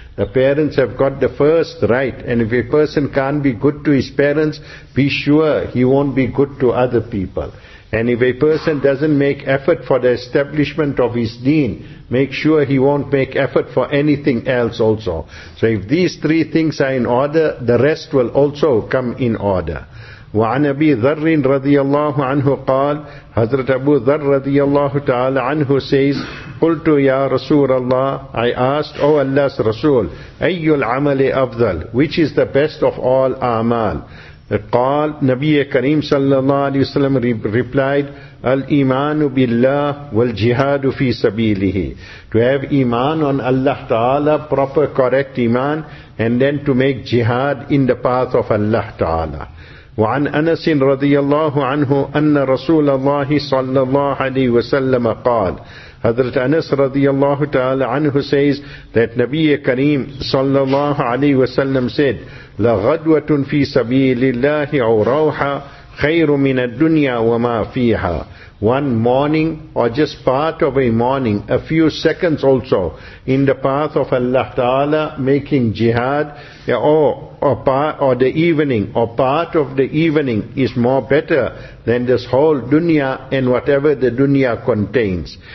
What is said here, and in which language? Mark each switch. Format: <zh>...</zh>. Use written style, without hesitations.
<en>The parents have got the first right, and if a person can't be good to his parents, be sure he won't be good to other people. And if a person doesn't make effort for the establishment of his deen, make sure he won't make effort for anything else also. So if these three things are in order, the rest will also come in order.</en> <ar>وعن أبي ذر رضي الله عنه قال حضرت أبو ذر رضي الله تعالى عنه</ar> <en>says</en> <ar>قلت يا رسول الله</ar> <en>I asked O Allah's Rasul</en> <ar>أي العمل أفضل,</ar> <en>which is the best of all</en> <ar>أعمال. قال نبي كريم صلى الله عليه وسلم</ar> <en>replied</en> <ar>الإيمان بالله والجهاد في سبيله.</ar> <en>To have Iman on Allah Ta'ala, proper correct Iman, and then to make jihad in the path of Allah Ta'ala.</en> <ar>وعن أنس رضي الله عنه أن رسول الله صلى الله عليه وسلم قال حضرت أنس رضي الله تعالى عنه</ar> <en>says that</en> <ar>نبي كريم صلى الله عليه وسلم</ar> <en>said</en> <ar>لغدوة في سبيل الله أو روحة خير من الدنيا وما فيها.</ar> <en>One morning or just part of a morning, a few seconds also, in the path of Allah Ta'ala making jihad, or the evening, or part of the evening is more better than this whole dunya and whatever the dunya contains.</en>